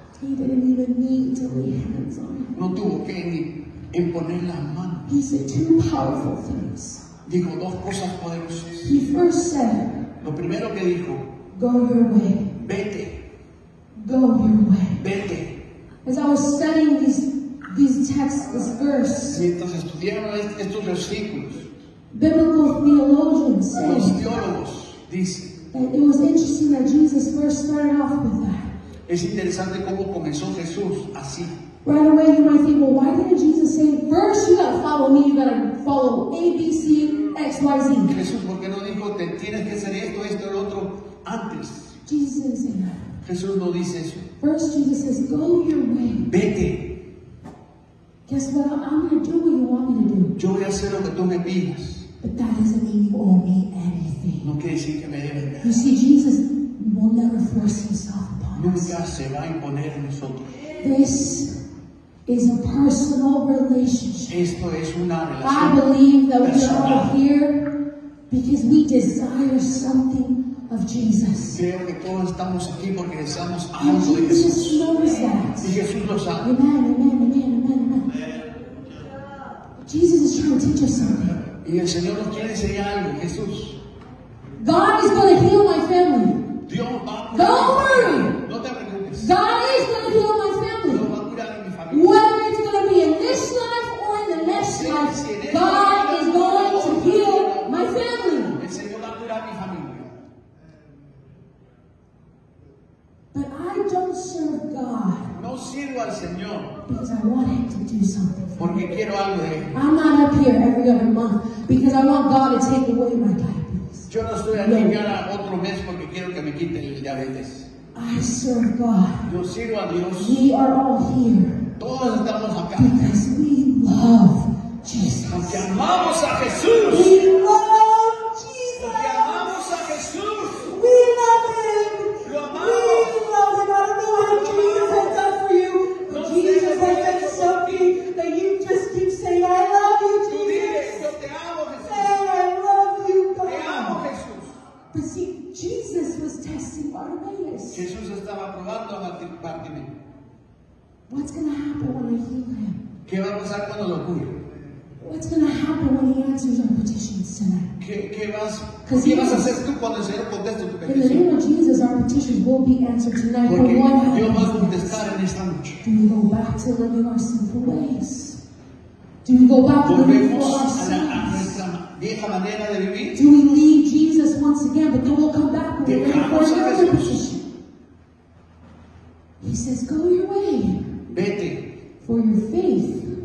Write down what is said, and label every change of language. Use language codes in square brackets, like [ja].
[en] He didn't even need to lay hands on him. [es] No tuvo que ni imponer las manos. [en] He said two powerful things. [es] Dijo dos cosas poderosas. [en] He first said, [es] lo primero que dijo, [en] go your way. [es] Vete. [en] Go your way. [es] Vete. [en] As I was studying these texts, this verse, [es] mientras estudiaba estos versículos, [en] biblical theologians say, [es] los teólogos dicen, [en] that it was interesting that Jesus first started off with that. [es] Es interesante cómo comenzó Jesús así. [en] Right away you might think, well, why didn't Jesus say, first you gotta follow me, you gotta follow A, B, C, X, Y, Z? [es] Jesús, ¿por qué no dijo, te tienes que hacer esto, esto, el otro, antes? [en] Jesus didn't say that. [es] Jesús no dice eso. [en] First Jesus says, go your way. [es] Vete. [en] Guess what, I'm gonna do what you want me to do. [es] Yo voy a hacer lo que tú me pidas. [en] But that doesn't mean you owe me anything. [es] No quiere decir que me debe nada. [en] You see, Jesus will never force himself. [es] Nunca se va a imponer en nosotros. [en] This is a personal relationship. [es] Esto es una relación. [en] I believe that personal. We are all here because we desire something of Jesus. [es] Creo que todos estamos aquí porque deseamos algo de Jesús. [en] Jesus knows that. [es] Y Jesús lo sabe. [en] Amen, amen, amen, amen, amen. Amen. Jesus is trying to teach us something. [es] Y el Señor nos quiere enseñar algo, Jesús. [en] God is going to heal my family. [es] Dios va a cuidar. [en] Don't worry. [es] No te preocupes. [en] God is going to heal my family. [es] Dios va a cuidar a mi familia. [en] Whether it's going to be in this life or in the next life, God is going to heal my family. [es] El Señor va a cuidar a mi familia. [en] But I don't serve God. [es] No sirvo al Señor. [en] Because I want Him to do something. [es] Porque quiero algo de Él. [en] I'm not up here every other month because I want God to take away my diabetes. [es] Yo no estoy aquí cada otro mes porque quiero que me quiten el diabetes. [en] I serve God. [es] Yo sirvo a Dios. [en] We are all here. [es] Todos estamos acá. [en] Because we love Jesus. [es] Porque amamos a Jesús. [en] We love Jesus. [es] Porque amamos a Jesús. [en] We love Him. [es] Lo amamos. [en] We love Him. I don't know how Jesus has done for you, but [es] no [en] Jesus [es] sé, [en] has done something that you just keep saying, I love you, Jesus. [es] Dices, yo te amo, Jesús. [en] Hey, I love you, God. [es] Te amo, Jesús. [en] But see, Jesus was testing Bartimaeus. [es] Jesús estaba probando a Bartimaeus. [en] What's going to happen when I heal him? [es] ¿Qué va a pasar cuando lo cure? [en] What's going to happen when he answers our petitions tonight? [es] ¿Qué vas a hacer tú cuando el Señor conteste tu petición? [en] In the name of Jesus, our petitions will be answered tonight. [es] Porque Dios va a contestar en esta noche. [en] Do we go back to living our sinful ways? Do we go back to living for ourselves? Do we leave Jesus once again, but then we'll come back when we're ready for another petition? He says, go your way. [es] Vete. [en] For your faith.